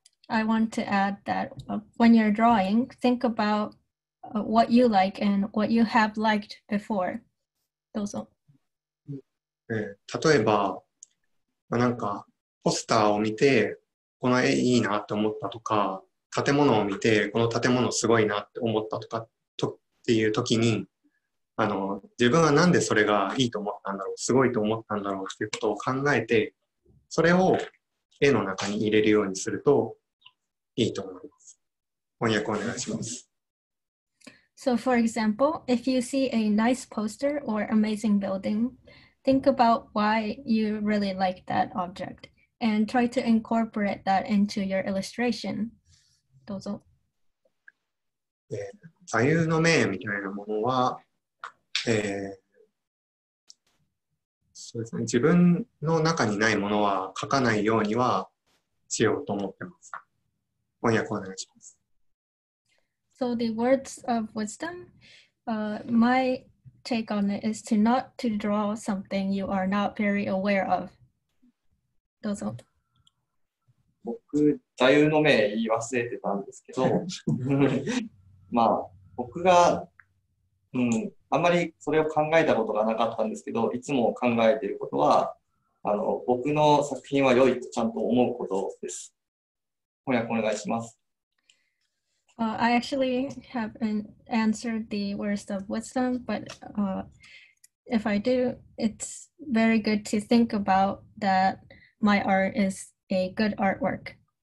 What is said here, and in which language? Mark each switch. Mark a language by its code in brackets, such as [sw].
[en] I want to add that when you're drawing, think about what you like and what you have liked before. [ja] どうぞ。例えば、まあ、なんかポスターを見てこの絵いいなって思ったとか、建物を見てこの建物すごいなって思ったとかとっていう時に、自分はなんでそれがいいと思ったんだろう、すごいと思ったんだろうっていうことを考えて、それを絵の中に入れるようにするといいと思います。翻訳お願いします。 [en] So for example, if you see a nice poster or amazing building,Think about why you really like that object and try to incorporate that into your illustration. [ja] どうぞ。座右の銘みたいなものは、そうですね、自分の中にないものは書かないようにはしようと思ってます。翻訳お願いします。 [en] So the words of wisdom, my... take on it is to not to draw something you are not very aware of. [ja] どうぞ。僕、座右の銘言い忘れてたんですけど、まあ、僕が、うん、あまりそれを考えたことがなかったんですけど、いつも考えていることは、僕の作品は良いとちゃんと思うことです。翻訳お願いします。 [en] I actually have answered the words of wisdom, but if I do, it's very good to think about that my art is a good artwork.